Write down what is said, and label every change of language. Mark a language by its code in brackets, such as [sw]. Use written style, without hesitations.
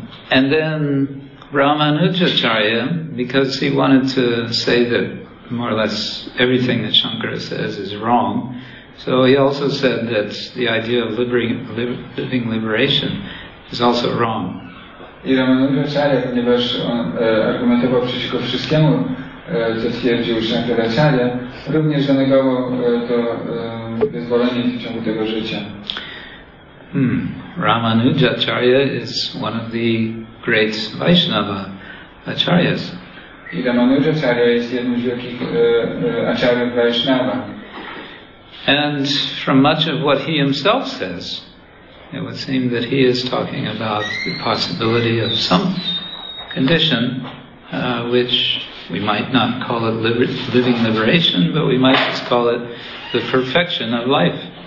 [en] And then Ramanujacharya, because he wanted to say that more or less everything that Shankara says is wrong, so he also said that the idea of living liberation is also wrong. [pl] I Ramanujacharya, ponieważ on argumentował przeciwko wszystkiemu, co stwierdził Shankaracharya, również zanegował to wyzwolenie w ciągu tego życia. [en] Ramanujacharya is one of the great Vaishnava acharyas. [pl] I Ramanujacharya jest jednym z wielkich acharyów Vaishnava. [en] And from much of what he himself says, it would seem that he is talking about the possibility of some condition which we might not call it living liberation, but we might just call it the perfection of life.